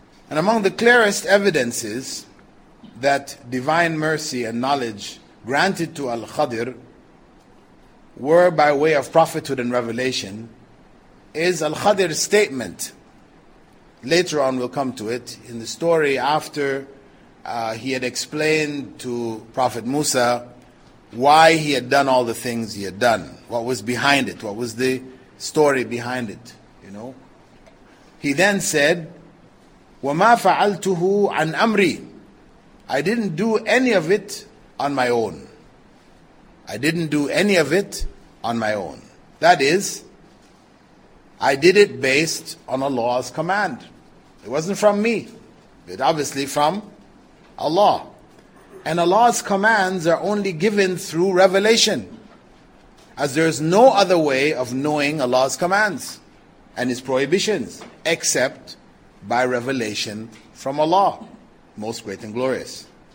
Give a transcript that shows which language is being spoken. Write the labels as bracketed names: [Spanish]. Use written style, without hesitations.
[English] And among the clearest evidences that divine mercy and knowledge granted to Al-Khadir were by way of prophethood and revelation is Al-Khadir's statement. Later on we'll come to it, in the story after he had explained to Prophet Musa why he had done all the things he had done, what was behind it, what was the story behind it, you know. He then said, [Arabic] وَمَا فَعَلْتُهُ عَنْ أَمْرِي. [English] I didn't do any of it on my own. I didn't do any of it on my own. That is, I did it based on Allah's command. It wasn't from me. It obviously from Allah. And Allah's commands are only given through revelation, as there is no other way of knowing Allah's commands and His prohibitions except by revelation from Allah, Most Great and Glorious.